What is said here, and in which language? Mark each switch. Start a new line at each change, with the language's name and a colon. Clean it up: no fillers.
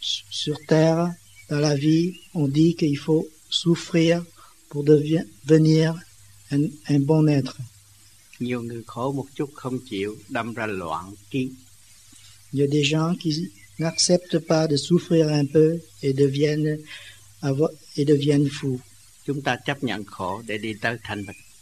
French: Sur terre, dans la vie, on dit qu'il faut souffrir pour devenir un bon être.
Vietnamese: Nhiều người khổ một chút không chịu, đâm ra loạn kiến.
French: Il y a des gens qui n'acceptent pas de souffrir un peu et deviennent fous.
Vietnamese: Chúng ta chấp nhận khổ để đi tới thanh bình.